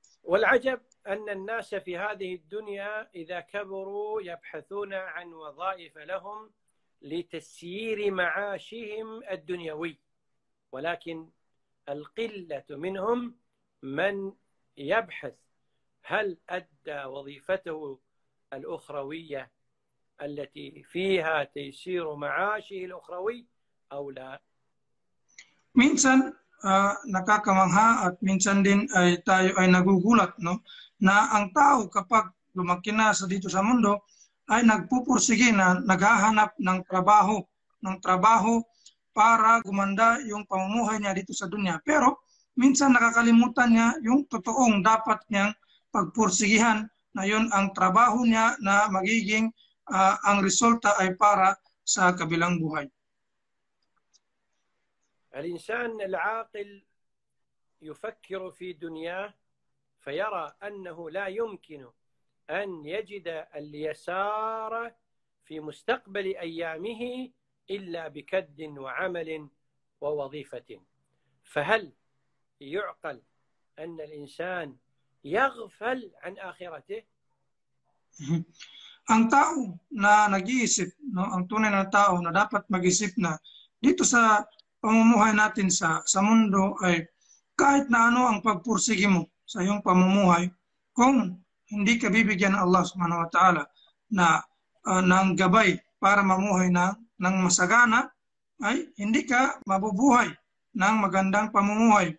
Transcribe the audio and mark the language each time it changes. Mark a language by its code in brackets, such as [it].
[ar] Wal-ajab anna an-nasa fi hadhihi ad-dunya idha kabaru yabhathuna an wadha'ifa lahum لتسيير معاشهم الدنيوي ولكن القلة منهم من يبحث هل أدى وظيفته الأخروية التي فيها تيسير معاشه الأخروي أو لا. [tl] Minsan nakakamangha at minsan din ay tayo ay nagugulat no na ang tao kapag lumaki na sa dito sa mundo ay nagpupursige na naghahanap ng trabaho para gumanda yung pamumuhay niya dito sa dunya. Pero minsan nakakalimutan niya yung totoong dapat niyang pagpursigihan na yun ang trabaho niya na magiging ang resulta ay para sa kabilang buhay. [ar] الإنسان العاقل يفكر في دنياه فيرى أنه لا يمكن أن يجد اليسار في مستقبل أيامه إلا بكد وعمل ووظيفة، فهل يعقل أن الإنسان يغفل عن آخرته؟ [tl] Ang tao na nag-iisip, no, ang tunay na tao na dapat mag-isip na dito sa pamumuhay natin sa mundo ay kahit na ano ang pagpursigi mo sa iyong pamumuhay, kung hindi ka bibigyan ng Allah subhanahu wa ta'ala na ng gabay para mamuhay ng masagana, ay hindi ka mabubuhay ng magandang pamumuhay.